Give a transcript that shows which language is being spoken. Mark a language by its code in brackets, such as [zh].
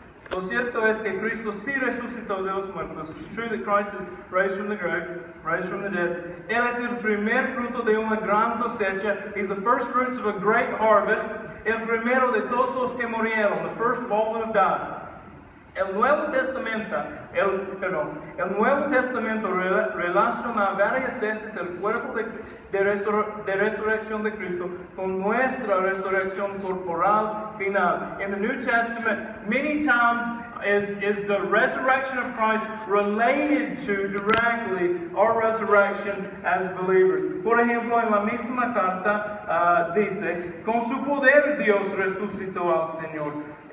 [es] Lo cierto es que Cristo sí resucitó de los muertos. [en] It's true that Christ is raised from the grave, raised from the dead. [es] Él es el primer fruto de una gran cosecha. [en] He's the first fruits of a great harvest. [es] El primero de todos los que murieron. [en] The first of all that have died. [es] El Nuevo Testamento relaciona varias veces el cuerpo de resurrección de Cristo con nuestra resurrección corporal final. [en] In the New Testament, many times is the resurrection of Christ related to directly our resurrection as believers. [es] Por ejemplo, en la misma carta dice, con su poder Dios resucitó al Señor.